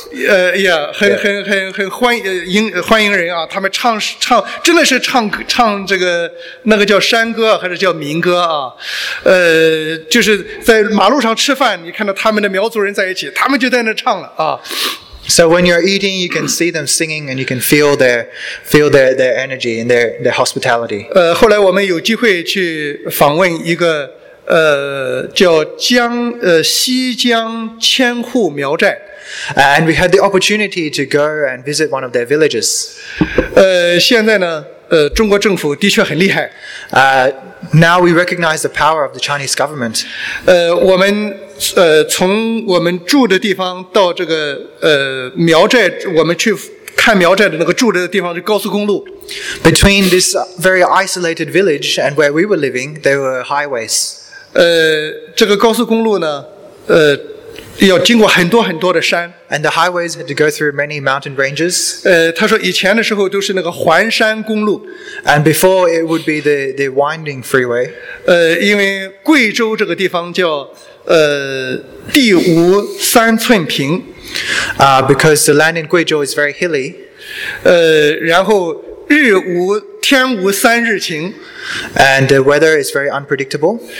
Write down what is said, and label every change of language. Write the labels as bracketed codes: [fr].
[zh] Yeah, 很欢迎人啊，他们唱真的是唱这个那个叫山歌还是叫民歌啊。就是在马路上吃饭，你看到他们的苗族人在一起，他们就在那唱了啊。 [en] So when you're eating, you can see them singing and you can feel their energy and their hospitality. [zh] 后来我们有机会去访问一个叫西江千户苗寨。 [en] And we had the opportunity to go and visit one of their villages. [zh] 现在呢，中国政府的确很厉害。 [en] Now we recognize the power of the Chinese government. [zh] 我们从我们住的地方到这个苗寨，我们去看苗寨的那个住的地方是高速公路。 [en] Between this very isolated village and where we were living, there were highways. [zh] 这个高速公路呢，要经过很多很多的山。 [en] And the highways had to go through many mountain ranges. [zh] 他说以前的时候都是那个环山公路。 [en] And before it would be the winding freeway. [zh] 因为贵州这个地方叫地无三寸平。 [en] Because the land in 贵州 is very hilly. [zh] 然后天无三日晴。 [en] And the weather is very unpredictable.